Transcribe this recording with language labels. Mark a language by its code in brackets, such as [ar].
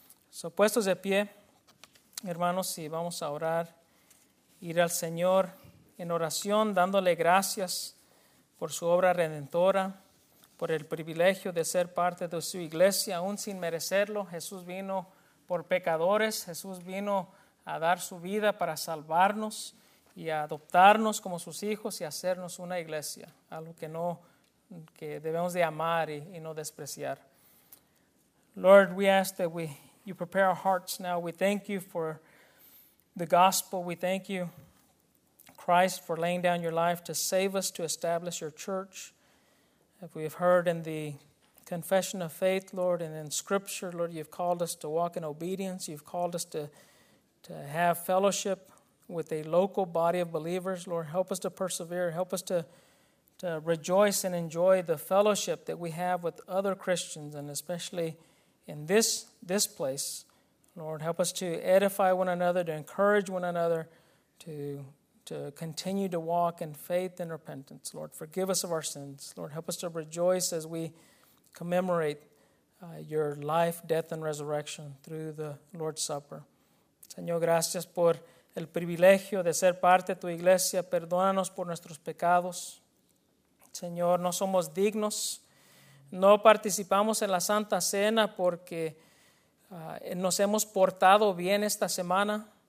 [es] So, puestos de pie, hermanos, y vamos a orar, ir al Señor en oración, dándole gracias por su obra redentora, por el privilegio de ser parte de su iglesia, aún sin merecerlo. Jesús vino por pecadores, Jesús vino a dar su vida para salvarnos y a adoptarnos como sus hijos y hacernos una iglesia, algo que no, que debemos de amar y no despreciar. [en] Lord, we ask that you prepare our hearts now. We thank you for the gospel. We thank you, Christ, for laying down your life to save us, to establish your church. As we have heard in the confession of faith, Lord, and in scripture, Lord, you've called us to walk in obedience. You've called us to have fellowship with a local body of believers. Lord, help us to persevere. Help us to rejoice and enjoy the fellowship that we have with other Christians, and especially in this place. Lord, help us to edify one another, to encourage one another, to continue to walk in faith and repentance. Lord, forgive us of our sins. Lord, help us to rejoice as we commemorate your life, death, and resurrection through the Lord's Supper. [es] Señor, gracias por el privilegio de ser parte de tu iglesia. Perdónanos por nuestros pecados. Señor, no somos dignos. No participamos en la Santa Cena porque nos hemos portado bien esta semana.